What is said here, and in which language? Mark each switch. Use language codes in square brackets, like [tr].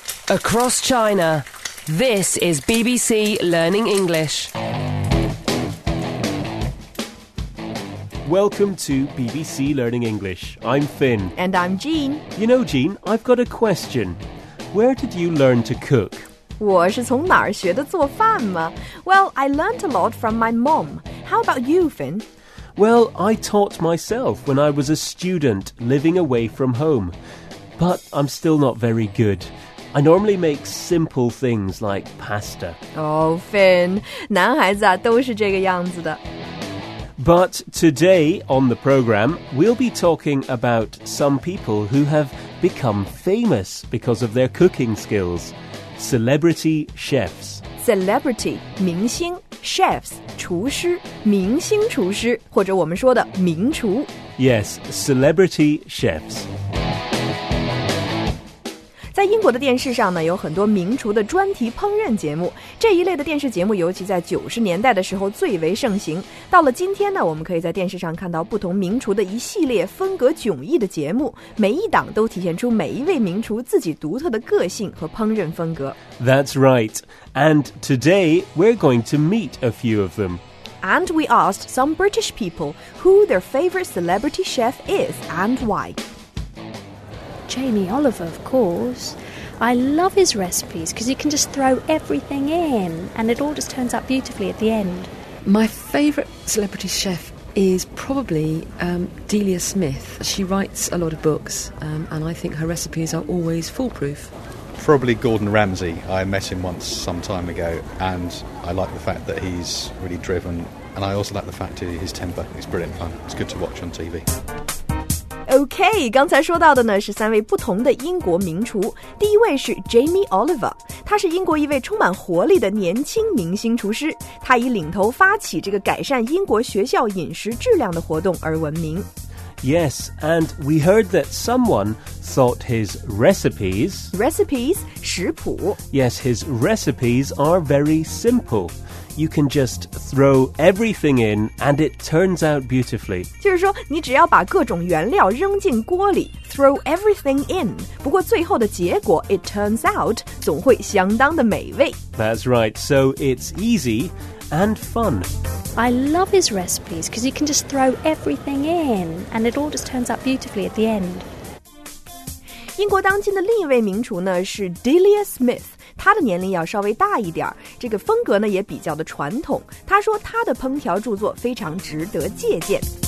[en] Across China, this is BBC Learning English. Welcome to BBC Learning English. I'm Finn. And I'm Jean. You know, Jean, I've got a question. Where did you learn to cook? [zh] 我是从哪儿学的做饭吗? [en] Well, I learned a lot from my mom. How about you, Finn? Well, I taught myself when I was a student living away from home. But I'm still not very good. I normally make simple things like pasta. [zh] Oh, Finn, 男孩子啊都是这个样子的。 [en] But today on the program, we'll be talking about some people who have become famous because of their cooking skills. Celebrity chefs. [zh] Celebrity, 明星。 Chefs, 厨师,明星厨师,或者我们说的名厨。 [en] Yes, celebrity chefs. [zh] 在英国的电视上呢,有很多名厨的专题烹饪节目。这一类的电视节目尤其在90年代的时候最为盛行。到了今天呢,我们可以在电视上看到不同名厨的一系列风格迥异的节目,每一档都体现出每一位名厨自己独特的个性和烹饪风格。 [en] That's right. And today, we're going to meet a few of them. And we asked some British people who their favourite celebrity chef is and why. Jamie Oliver, of course. I love his recipes because you can just throw everything in and it all just turns out beautifully at the end. My favourite celebrity chef is probably Delia Smith. She writes a lot of books, and I think her recipes are always foolproof. Probably Gordon Ramsay. I met him once some time ago, and I like the fact that he's really driven, and I also like the fact that his temper is brilliant fun. It's good to watch on TV. [zh] Okay, 刚才说到的呢是三位不同的英国名厨。第一位是 Jamie Oliver, 他是英国一位充满活力的年轻明星厨师。他以领头发起这个改善英国学校饮食质量的活动而闻名。 [en] Yes, and we heard that someone thought his recipes... [zh] Recipes? 食谱 [en] Yes, his recipes are very simple. You can just throw everything in and it turns out beautifully. [zh] 就是说你只要把各种原料扔进锅里 [en] throw everything in. [zh] 不过最后的结果 [en] it turns out, [zh] 总会相当的美味 [en] That's right, so it's easy... And fun. I love his recipes because you can just throw everything in and it all just turns out beautifully at the end. [zh] 英国当今的另一位名厨呢是 Delia Smith, 她的年龄要稍微大一点这个风格呢也比较的传统。她说她的烹调著作非常值得借鉴。